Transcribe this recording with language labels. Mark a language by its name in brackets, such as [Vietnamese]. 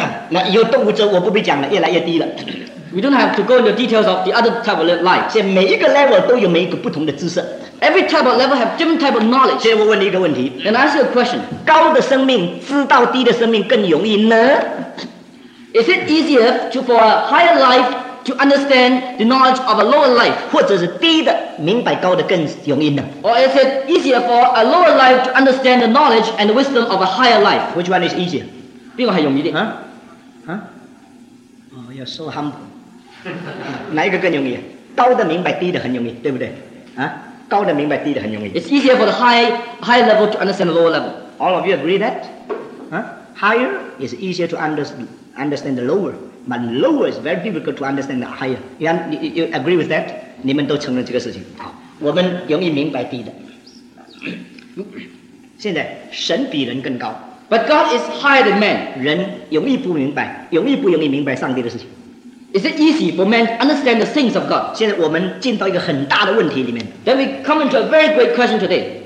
[Chinese] 那有动物之后我不必讲了，越来越低了。 [English] We don't have to go into details of the other type of life. [Chinese] 现在每一个 level 都有每一个不同的知识。 [English] Every type of level have different type of knowledge. [Chinese] 现在我问你一个问题。 [English] And I ask you a question. [Chinese] 高的生命知道低的生命更容易呢？ [English] Is it easier to for a higher life to understand the knowledge of a lower life? [Chinese] 或者是低的明白高的更容易呢？ [English] Or is it easier for a lower life to understand the knowledge and the wisdom of a higher life? Which one is easier? [Chinese] 比我还容易的。 [English] Huh? You're so humble. [Chinese] 哪一个更容易？高的明白低的很容易，对不对？高的明白低的很容易。 [English] It's easier for the high level to understand the lower level. All of you agree that? Higher is easier to understand the lower, but lower is very difficult to understand the higher. You agree with that? [Chinese] 你们都承认这个事情。好，我们容易明白低的。现在神比人更高。 [English] But God is higher than man. [Chinese] 人容易不明白，容易不容易明白上帝的事情。 [English] Is it easy for man to understand the things of God? [Chinese] 现在我们进到一个很大的问题里面。 [English] Then we come into a very great question today.